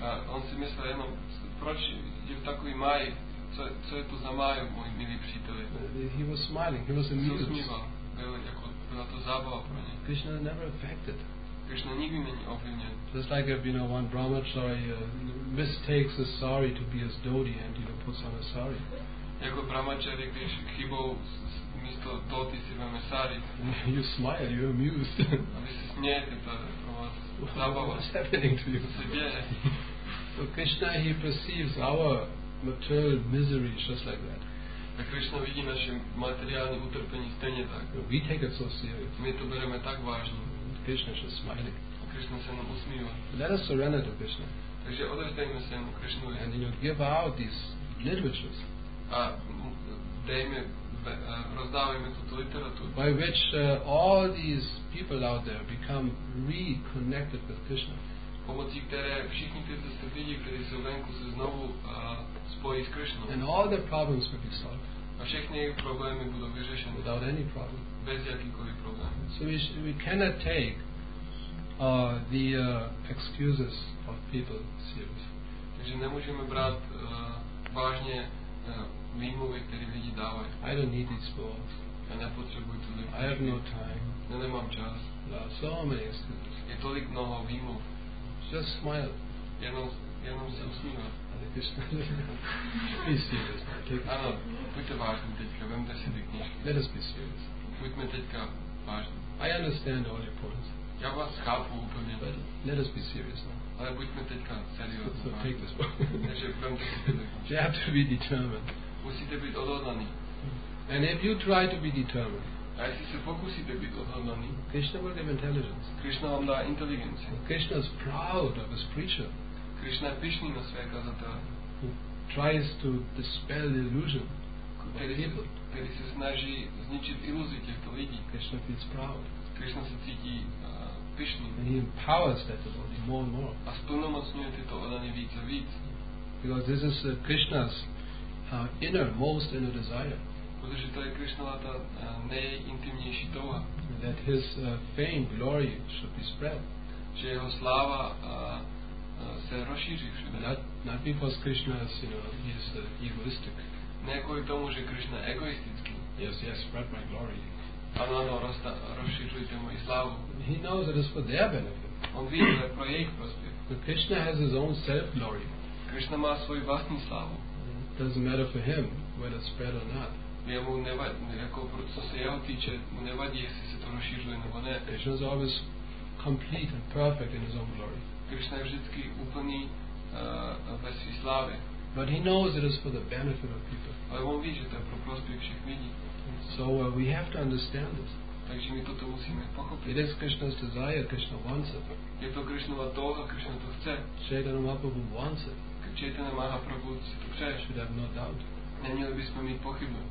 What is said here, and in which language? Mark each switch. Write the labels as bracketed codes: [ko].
[cs] On si myslel jenom, proč je takový maj, co je to za maju, můj milý příteli? [en] He was smiling, he was amused. [cs] Se usmíval, byla to zábava pro něj. [en] Krishna never affected. [cs] Krishna nikdy není ovlivněn. [en] Just like if, you know, one brahmachari mistakes a sari to be his dhoti and, you know, puts on a sari. [cs] Jako brahmachari, když chybou místo dhoti si veme sari. [en] You smile, you're amused. [cs] A vy se smějete, to vás zábava. [en] What's happening to you? So Krishna, he perceives our material misery just like that. [cs] A Krishna vidí naše materiální utrpení stejně tak. [en] We take it so seriously. [cs] My to bereme tak vážně. [en] Krishna is just smiling. [cs] A Krishna se nám usmívá. [en] Let us surrender to Krishna. [cs] Takže odevzdejme se mu Krishnu. [en] And, you know, give out these literatures. [cs] A dejme, rozdávajme tuto literaturu. [en] By which all these people out there become reconnected with Krishna. [cs] Pomocí které všichni tyto lidi, kteří jsou venku, se znovu spojí s Krishnou. [en] And all their problems will be solved. [cs] A všechny jejich problémy budou vyřešeny. [en] Without any problem. [cs] Bez jakýkoliv problém. [en] So we cannot take the excuses of people seriously. [cs] Takže nemůžeme brát vážně výmluvy, které lidi dávají. [en] I don't need these words. [cs] Já nepotřebuji to lidi. [en] I have no time. [cs] Já nemám čas. [en] So many excuses. [cs] Je tolik mnoho výmluv. [en] Just smile. [cs] Jenom se usmívat. [en] Be serious. [cs] Ano, buďte vážní teďka, vemte si ty knižky. [en] Let us be serious. [cs] Buďme teďka vážní. [en] I understand all your points. [cs] Já vás chápu úplně. [en] But let us be serious now. [cs] Ale buďme teďka seriózní. [en] So take this one. [cs] Takže vemte si ty knižky. [en] You have to be determined. [cs] Musíte být odhodlaný. [en] And if you try to be determined, [cs] a jestli se pokusíte být odhodlaný, [en] Krishna will give intelligence. [cs] Krishna vám dá inteligenci. [en] Krishna is proud of his preacher. [cs] Krishna je pyšný na své kazatele. [en] tries to dispel the illusion. [cs] Který se snaží zničit iluzi těchto lidí. [en] Krishna feels proud. [cs] Krishna se cítí pyšný. [en] And he empowers that devotee more and more. [cs] A zplnomocňuje tyto oddaný víc a víc. [en] Because this is Krishna's inner, most inner desire. [cs] Protože to je Krishnova ta nejintimnější touha. [en] That his fame, glory should be spread. [cs] Že jeho sláva se rozšíří všude. [en] Not because Krishna is, you know, he is egoistic. [cs] Ne kvůli tomu, že Krishna je egoistický. [en] Yes, spread my glory. [cs] Ano, ano, rozšířujte moji slávu. [en] He knows that it's for their benefit. [cs] On ví, že pro jejich prospěch. [en] But Krishna has his own self-glory. [cs] Krishna má svoji vlastní slávu. [en] It doesn't matter for him whether it's spread or not. [cs] Jemu nevadí, jako co se jeho týče, mu nevadí, jestli se to rozšířuje nebo ne. [en] Krishna is always complete and perfect in his own glory. [cs] Krishna je vždycky úplný ve své slávě. [en] But he knows it is for the benefit of people. [cs] Ale on ví, že to je pro prospěch všech lidí. [en] So we have to understand this. [cs] Takže my toto musíme pochopit. [en] It is Krishna's desire, Krishna wants it. [cs] Je to Krishnova touha, Krishna to chce. [en] Chaitanya Mahaprabhu wants it. [cs] Chaitanya Mahaprabhu si to chce. [en] Should have no doubt. [cs] Neměli bychom mít pochybu.